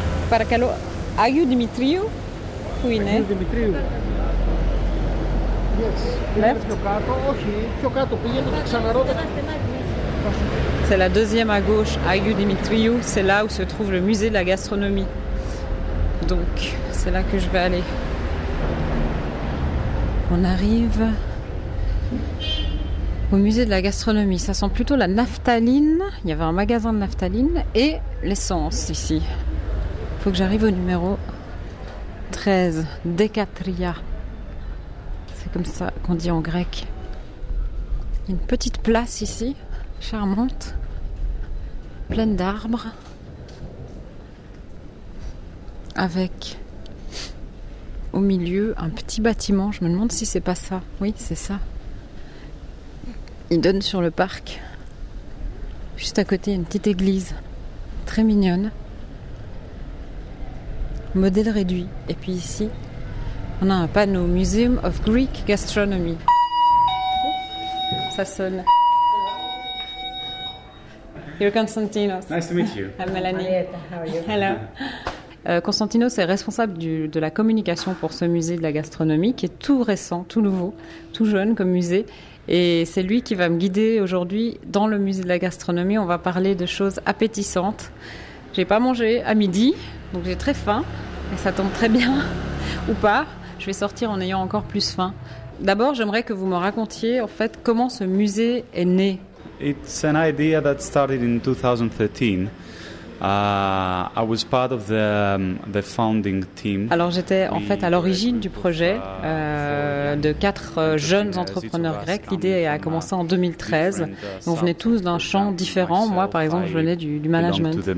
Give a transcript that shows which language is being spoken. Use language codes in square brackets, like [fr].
[el] Παρακαλώ, Άγιο Δημητρίου, πού είναι? Άγιο Δημητρίου. [en] Left. [el] Πιο κάτω, όχι, πιο κάτω πήγαινε, θα ξαναρώτε. [fr] C'est la deuxième à gauche, Άγιο Δημητρίου, c'est là où se trouve le musée de la gastronomie. Donc, c'est là que je vais aller. On arrive au musée de la gastronomie. Ça sent plutôt la naphtaline. Il y avait un magasin de naphtaline et l'essence ici. Faut que j'arrive au numéro 13, Decatria. C'est comme ça qu'on dit en grec. Il y a une petite place ici, charmante, pleine d'arbres. Avec au milieu un petit bâtiment. Je me demande si c'est pas ça. Oui, c'est ça. Il donne sur le parc. Juste à côté, il y a une petite église. Très mignonne. Modèle réduit. Et puis ici, on a un panneau. [en] Museum of Greek Gastronomy. [fr] Ça sonne. [en] You're Konstantinos. Nice to meet you. I'm Melanie. How are you? Hello. [fr] Konstantinos est responsable de la communication pour ce musée de la gastronomie qui est tout récent, tout nouveau, tout jeune comme musée. Et c'est lui qui va me guider aujourd'hui dans le musée de la gastronomie. On va parler de choses appétissantes. Je n'ai pas mangé à midi, donc j'ai très faim. Et ça tombe très bien, ou pas. Je vais sortir en ayant encore plus faim. D'abord, j'aimerais que vous me racontiez en fait comment ce musée est né. [en] It's an idea that started in 2013. I was part of the founding team. [fr] Alors j'étais en fait à l'origine du projet de quatre jeunes entrepreneurs grecs. L'idée a commencé en 2013. On venait tous d'un champ différent. Moi, par exemple, je venais du management.